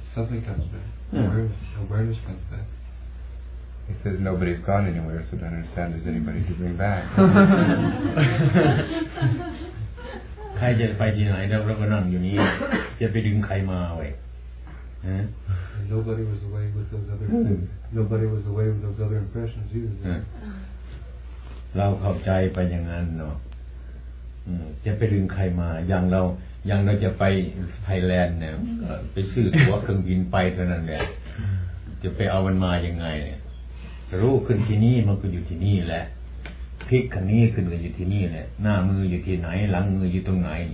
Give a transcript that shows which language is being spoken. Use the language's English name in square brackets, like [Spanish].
[English] Something comes back. Awareness comes back. He says nobody's gone anywhere, so I don't understand there's anybody to bring back. [Thai] ใครจะไปที่ไหนแล้วเราก็นั่งอยู่นี้จะไปดึงใครมาไว้ [English] Nobody was away with those other things. Nobody was away with those other impressions either. [Thai] เราเข้าใจไปอย่างนั้นเนาะจะไปดึงใครมาอย่างเราจะไปไทยแลนด์เนี่ยไปซื้อตั๋วเครื่องบินไปเท่านั้นแหละจะไปเอามันมายังไงรู้ขึ้นที่นี่มันก็อยู่ที่นี่แหละพลิกขึ้นนี่ขึ้นก็อยู่ที่นี่แหละหน้ามืออยู่ที่ไหนหลังมืออยู่ตรงไหน